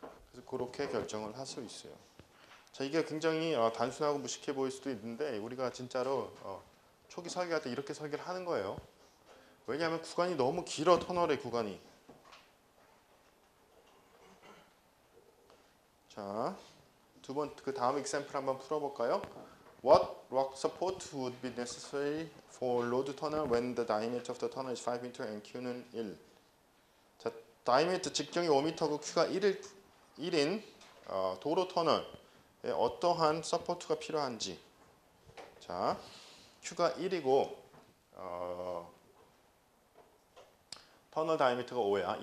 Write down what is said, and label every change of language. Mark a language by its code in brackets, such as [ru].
[ko] 그래서 그렇게 결정을 할 수 있어요. 자, 이게 굉장히 단순하고 무식해 보일 수도 있는데 우리가 진짜로 초기 설계할 때 이렇게 설계를 하는 거예요. 왜냐하면 구간이 너무 길어, 터널의 구간이. 자, 두 번 그 다음 example 한번 풀어볼까요? [en] What rock support would be necessary for load tunnel when the diameter of the tunnel is 5m and Q는 1? [ko] 자, diameter 직경이 5m고 Q가 1인 도로 터널. 어떠한 서포트가 필요한지. 자, Q가 1이고 터널 다이아미터가 5야.